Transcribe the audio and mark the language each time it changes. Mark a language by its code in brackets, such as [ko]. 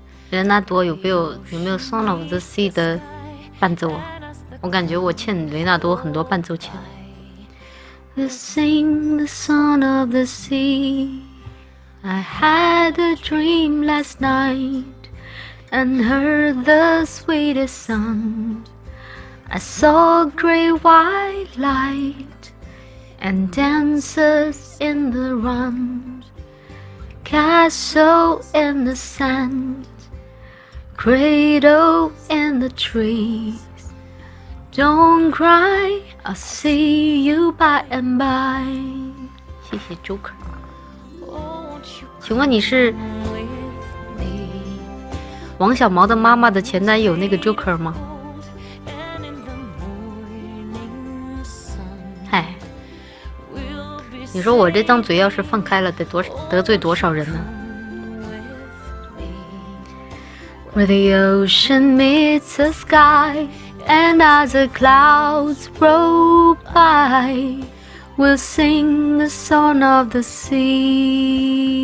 [zh] 人那多有没有 Song of the Sea 的伴奏啊？我感觉我欠雷纳多很多伴奏钱。 [en] We sing the song of the sea. I had a dream last night. And heard the sweetest sound. I saw great white light and dancers in the round. Castle in the sand, cradle in the trees. Don't cry, I'll see you by and by. [zh] 谢谢 Joker。请问你是王小毛的妈妈的前男友那个 Joker 吗？嗨，你说我这张嘴要是放开了，得罪多少人呢？ [en] Where the ocean meets the sky and as the clouds roll by, we'll sing the song of the sea.